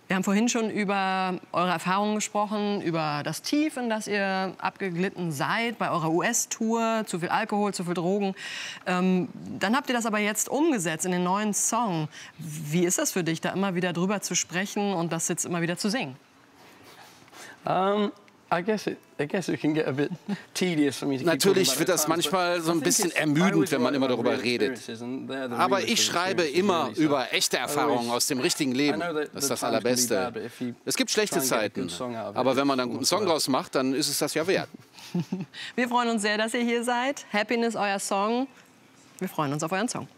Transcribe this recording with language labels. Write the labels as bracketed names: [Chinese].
[German] Wir haben vorhin schon über eure Erfahrungen gesprochen, über das Tief, in das ihr abgeglitten seid bei eurer US-Tour. Zu viel Alkohol, zu viel Drogen. Dann habt ihr das aber jetzt umgesetzt in den neuen Song. Wie ist das für dich, da immer wieder drüber zu sprechen und das jetzt immer wieder zu singen? [English] I guess it can get a bit tedious for me to keep. [German] Natürlich wird das manchmal so ein bisschen ermüdend, wenn man immer darüber redet. Aber ich schreibe immer über echte Erfahrungen aus dem richtigen Leben. Das ist das Allerbeste. Es gibt schlechte Zeiten, aber wenn man dann einen guten Song draus macht, dann ist es das ja wert. Wir freuen uns sehr, dass ihr hier seid. Happiness, euer Song. Wir freuen uns auf euren Song.